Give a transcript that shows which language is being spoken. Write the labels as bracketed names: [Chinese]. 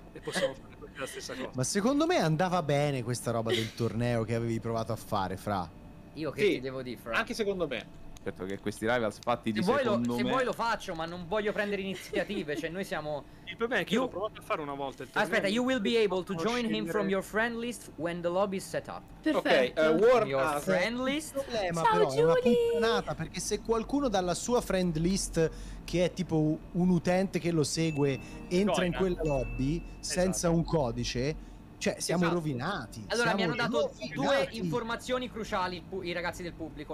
[Italian] E possiamo fare la stessa cosa. Ma secondo me andava bene questa roba del torneo che avevi provato a fare, Fra. Io che ti devo dire, Fra? Anche secondo me. Certo che questi rivals fatti di secondo me... Se vuoi lo faccio, ma non voglio prendere iniziative, cioè noi siamo... Il problema è che l'ho provato a fare una volta il torneo. Aspetta, [English] you will be able to join him from your friend list when the lobby is set up. [Italian] Perfetto. Ok, [English] your friend list. [Italian] Ciao, però, Giulie! È una puttanata, perché se qualcuno dalla sua friend list, che è tipo un utente che lo segue, entra in quel lobby senza un codice... Cioè, siamo rovinati. Allora, siamo mi hanno dato due informazioni cruciali i ragazzi del pubblico.